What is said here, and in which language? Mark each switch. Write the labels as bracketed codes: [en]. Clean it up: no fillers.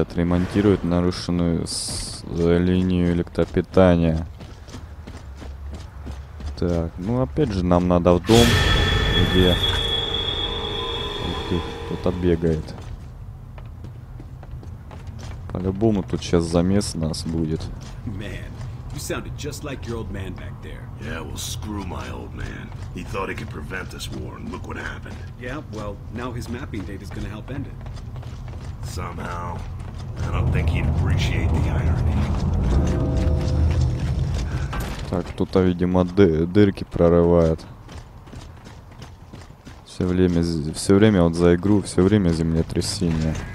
[ru] Отремонтируют нарушенную линию электропитания. Так, ну опять же, нам надо в дом, где... Кто-то бегает. По-любому тут сейчас замес нас будет. [en] Man, you sounded just like your old man back there. Yeah, well, screw my old man. He thought he could prevent this war, and look what happened. Yeah, well, now his mapping data is gonna help end it. Somehow, I don't think he'd appreciate the irony. [ru] Так, кто-то, видимо, дырки прорывает. Все время вот за игру, все время землетрясение.